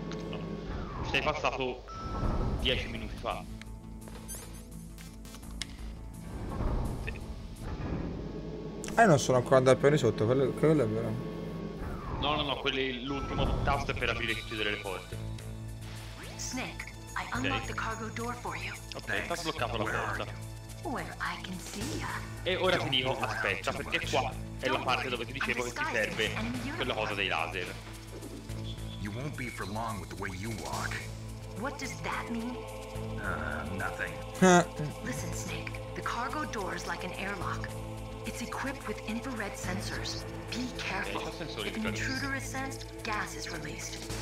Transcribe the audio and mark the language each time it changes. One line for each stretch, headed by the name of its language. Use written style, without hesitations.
Italian: No. Sei passato 10 minuti fa. Sì. Non sono ancora andato più di sotto, quello è vero. No, quelli, l'ultimo tasto è per aprire e chiudere le porte.
English: Snake, I unlocked the cargo door for you.
Italian: Ok, ti ha sbloccato la porta.
English: Where I can see ya.
Italian: E ora ti dico, aspetta, perché qua è la parte dove ti dicevo che ti serve quella cosa dei laser.
English: You won't be for long with the way you walk. What does that mean? Nothing. Listen, Snake, the cargo door is like an airlock. It's equipped with infrared sensors. Be careful. If an intruder is sensed, gas is released.